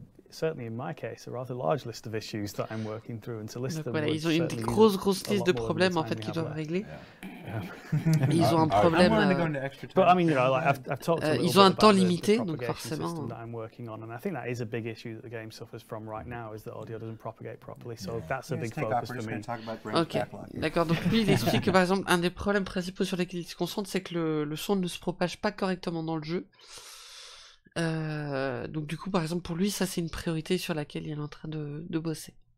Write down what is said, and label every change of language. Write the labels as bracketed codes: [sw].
[en] Certainly in my case, a rather large list of issues that I'm working through and to list them. [fr] Ils ont une grosse liste de problèmes en fait qu'ils doivent régler. Ils ont un problème. [en] But I mean, you know, like I've talked to. [fr] Ils ont un temps limité, donc forcément. [en] That I'm working on, and I think that is a big issue that the game suffers from right now is that audio doesn't propagate properly. So that's a big focus for me. [fr] Okay, d'accord. Donc lui, il explique que par exemple, un des problèmes principaux sur lesquels il se concentre, c'est que le son ne se propage pas correctement dans le jeu. Donc du coup, par exemple, pour lui, ça c'est une priorité sur laquelle il est en train de bosser.